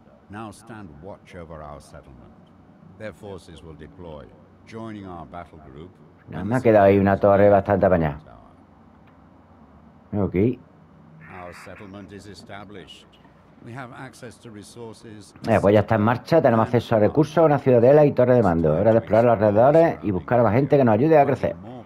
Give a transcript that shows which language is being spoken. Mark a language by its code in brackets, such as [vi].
[en] Now stand watch over our settlement. Their forces will deploy, joining our battle group. [es] Nos ha quedado ahí una torre bastante apañada. [en] Okay. Our settlement is established. We have access to resources. [es] Pues ya está en marcha. Tenemos acceso a recursos, una ciudadela y torre de mando. Hora de explorar los alrededores y buscar a más gente que nos ayude a crecer.